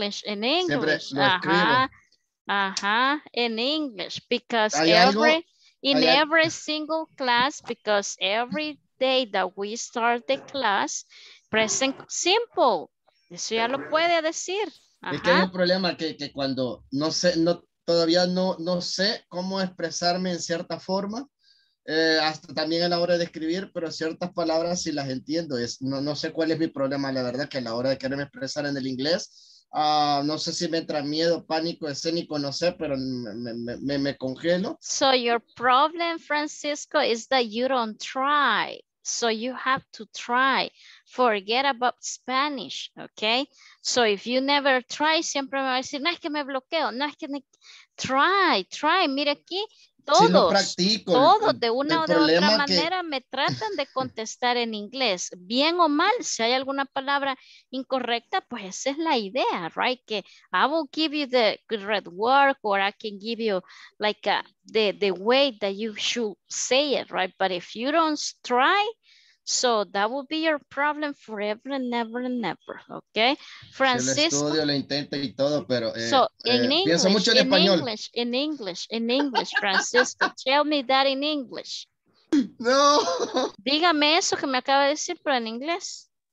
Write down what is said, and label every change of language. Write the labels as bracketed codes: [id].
[en] en English, ajá, ajá, en English, because in every single class, because every day that we start the class, present simple. [es] Eso ya lo puede decir. Ajá. Es que hay un problema que cuando no sé, no, todavía no sé cómo expresarme en cierta forma, hasta también a la hora de escribir, pero ciertas palabras sí las entiendo. Es, no sé cuál es mi problema, la verdad, que a la hora de quererme expresar en el inglés, no sé si me entra miedo, pánico escénico, no sé, pero me congelo. [en] So your problem, Francisco, is that you don't try. So you have to try. Forget about Spanish, okay? So if you never try, [es] siempre me va a decir, no es que me bloqueo, no es que me... Try. Mira aquí, todos, si no practico, todos de una o de otra manera me tratan de contestar en inglés. Bien o mal, si hay alguna palabra incorrecta, pues esa es la idea, right? [en] Que I will give you the correct word, or I can give you like the way that you should say it, right? But if you don't try... So that will be your problem forever and never and never, okay? Francisco. [es] Si el estudio lo intenta y todo, pero [en] so, English, [es] pienso mucho en español. [en] English, Francisco, tell me that in English. [es] No. Dígame eso que me acaba de decir, pero en inglés.